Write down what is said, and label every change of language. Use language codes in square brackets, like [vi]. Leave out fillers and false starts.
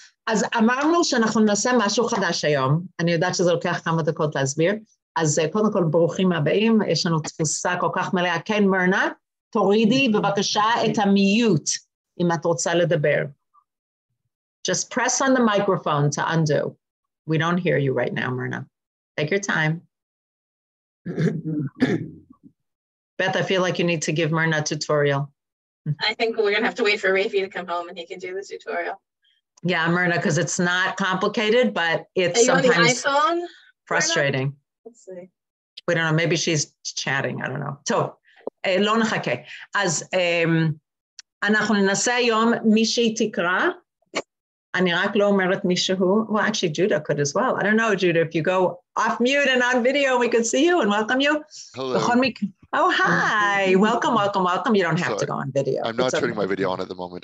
[he] אז אמרנו שאנחנו נעשה משהו חדש היום. אני יודעת שזה לוקח כמה דקות להסביר. אז קודם כל, ברוכים הבאים. יש לנו תפוסה כל כך מלאה. כן, מרנה, תורידי בבקשה את המיוט, אם את רוצה לדבר. [en] Just press on the microphone to undo. We don't hear you right now, Myrna. Take your time. Beth, I feel like you need to give Myrna a tutorial. I think we're going to have to wait for Rafi to come home and he can do the tutorial. Yeah, Myrna, because it's not complicated, but it's sometimes frustrating. Let's see. We don't know. Maybe she's chatting. I don't know. So, [he] לא נחכה. אז אנחנו ננסה היום מישהי תקרא. אני רק לא אומרת מישהו. [en] Well, actually, Judah could as well. I don't know, Judah, if you go off mute and on video, we could see you and welcome you. Hello. Oh, hi. Welcome, welcome, welcome. You don't have to go on video. I'm not turning my video on at the moment.